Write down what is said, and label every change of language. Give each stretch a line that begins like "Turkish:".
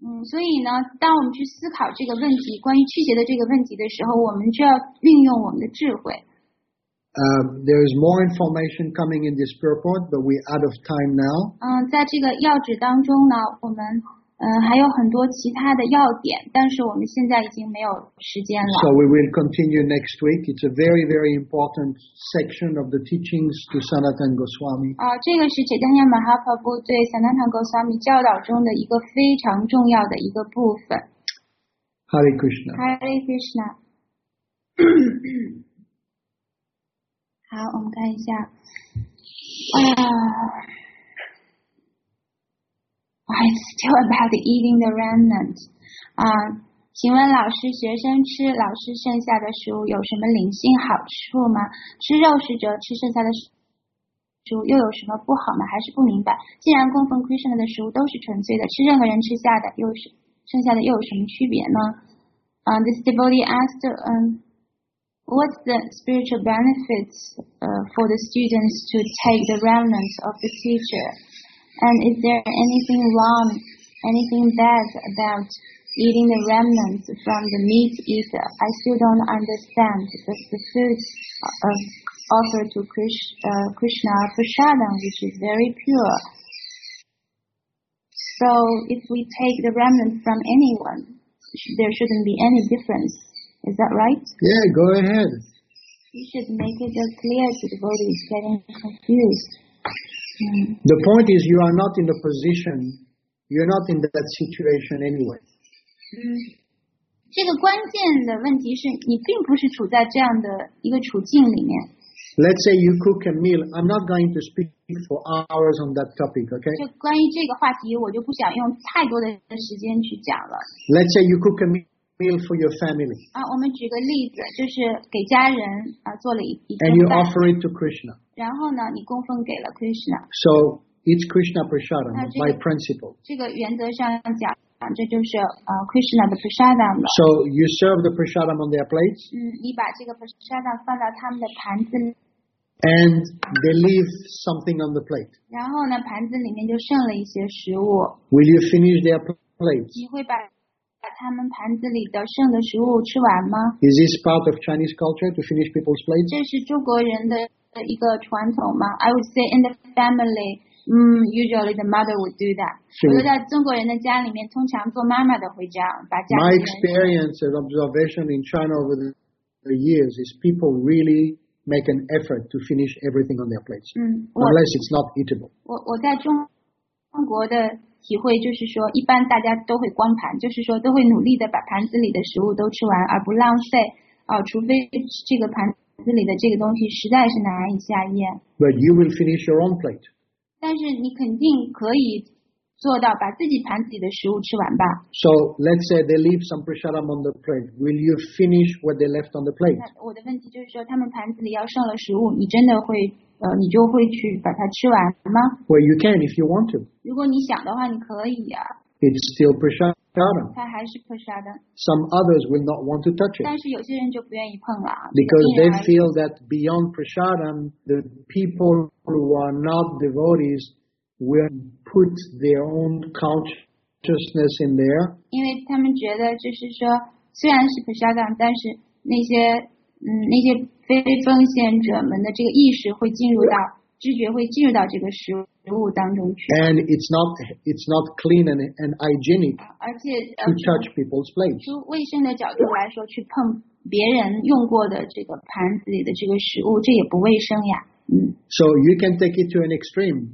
Chinese: 所以呢，当我们去思考这个问题，关于气节的这个问题的时候，我们就要运用我们的智慧。
English: There is more information coming in this purport, but we're out of time now.
Chinese: 在这个要旨当中呢，我们还有很多其他的要点，但是我们现在已经没有时间了。
English: So we will continue next week. It's a very, very important section of the teachings to Sanatan Goswami.
Chinese: 这个是 Chaitanya Mahaprabhu 对 Sanatan Goswami 教导中的一个非常重要的一个部分。
English: Hare Krishna.
Chinese: Hare Krishna. 好，我们看一下。
English: I still about eating the remnant.
Chinese: 请问老师，学生吃老师剩下的食物有什么灵性好处吗？吃肉食者吃剩下的食物又有什么不好吗？还是不明白？既然供奉 Krishna 的食物都是纯粹的，吃任何人吃下的又是剩下的又有什么区别呢？
English: This devotee asked, what's the spiritual benefits for the students to take the remnants of the teacher? And is there anything wrong, anything bad about eating the remnants from the meat eater? I still don't understand because the food offered to Krishna Prasadam, which is very pure. So if we take the remnants from anyone, there shouldn't be any difference. Is that right? Yeah, go ahead. You should make it clear to the body is getting confused. The point is you are not in the position, you're not in that situation anyway.
Chinese: 这个关键的问题是你并不是处在这样的一个处境里面。
English: Let's say you cook a meal. I'm not going to speak for hours on that topic, okay?
Chinese: 就关于这个话题，我就不想用太多的时间去讲了。
English: Let's say you cook a meal for your family.
Chinese: 我们举个例子，就是给家人做了一顿饭。
English: And you offer it to Krishna.
Chinese: 然后呢，你供奉给了 Krishna.
English: So it's Krishna prasadam by principle.
Chinese: 这个原则上讲。这就是Krishna 的 prasadam。
English: So you serve the prasadam on their plates？
Chinese: 你把这个 prasadam 放到他们的盘子里。
English: And they leave something on the plate。
Chinese: 然后呢，盘子里面就剩了一些食物。
English: Will you finish their plates？
Chinese: 你会把他们盘子里的剩的食物吃完吗
English: ？Is this part of Chinese culture to finish people's plates？
Chinese: 这是中国人的一个传统吗？
English: I would say in the family。 Usually the mother would do that.
Chinese: 我觉得在中国人的家里面，通常做妈妈的会这样，把家里。
English: My experience and observation in China over the years is people really make an effort to finish everything on their plates, unless it's not eatable.
Chinese: 我在中国的体会就是说，一般大家都会光盘，就是说都会努力的把盘子里的食物都吃完，而不浪费除非这个盘子里的这个东西实在是难以下咽。
English: But you will finish your own plate.
Chinese: 但是你肯定可以做到把自己盘子里的食物吃完吧。
English: So let's say they leave some prasadam on the plate. Will you finish what they left on the plate?
Chinese: 我的问题就是说，他们盘子里要剩了食物，你真的会你就会去把它吃完吗
English: ？Well, you can if you want to.
Chinese: 如果你想的话，你可以啊。
English: It's still prasadam.
Chinese: 它还是 prasadam.
English: Some others will not want to touch it.
Chinese: 但是有些人就不愿意碰了。
English: Because they feel that beyond prasadam, the people who are not devotees will put their own consciousness in there.
Chinese: 因为他们觉得就是说，虽然是 prasadam， 但是那些非奉献者们的这个意识会进入到。知觉会进入到这个食物当中去。
English: And it's not clean and hygienic.
Chinese: 而且
English: to touch people's plates.
Chinese: 从卫生的角度来说，去碰别人用过的这个盘子里的这个食物，这也不卫生呀。
English: So you can take it to an extreme.